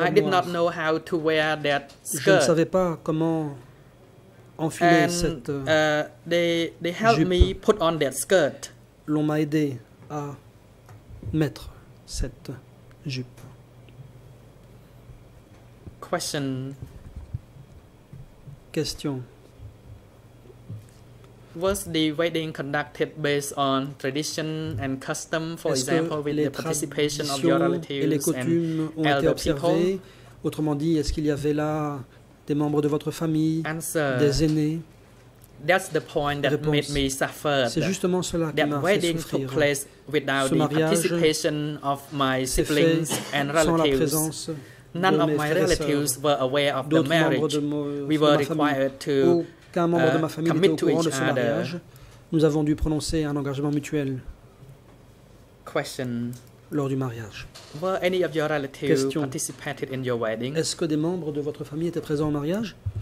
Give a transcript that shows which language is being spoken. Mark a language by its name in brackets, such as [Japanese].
[French] noire. [English] I did not know how to wear that skirt. [French] Je ne savais pas comment enfiler cette jupe. [English] They helped me put on that skirt. [French] L'on m'a aidé à mettre cette jupe. [English] Question. Was the wedding conducted based on tradition and custom, for example, with the participation of your relatives and elder people? [French] Autrement dit, est-ce qu'il y avait là des membres de votre famille, des aînés? [English] That's the point that made me suffer. [French] C'est justement cela qui m'a fait souffrir. [English] That wedding took place without the participation of my siblings and relatives. None of my relatives were aware of the marriage. We were required to [French] qu'un membre de ma famille était au courant de ce mariage. Nous avons dû prononcer un engagement mutuel. [English] Question. [French] Lors du mariage. [English] Were any of your relatives participated in your wedding? [French] Est-ce que des membres de votre famille étaient présents au mariage?